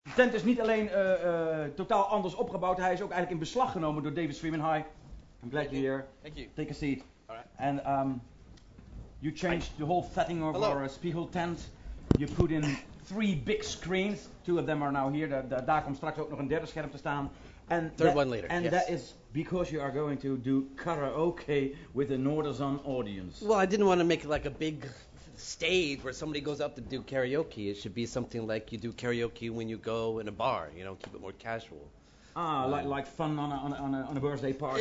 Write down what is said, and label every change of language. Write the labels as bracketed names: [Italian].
[Dutch] tent is niet alleen totaal anders opgebouwd, hij is ook eigenlijk in beslag genomen door David Freeman. [English] Hi, I'm glad you're here. Thank you. Take a seat. Alright. And you changed the whole setting of our Spiegel tent. You put in three big screens. Two of them are now here. [Dutch] Daar komt straks ook nog een derde scherm te staan. [English] And third one later. And yes. That is because you are going to do karaoke with a Nordazon audience. Well, I didn't want to make it like a big stage where somebody goes up to do karaoke. It should be something like you do karaoke when you go in a bar, you know, keep it more casual. Like fun on a birthday party.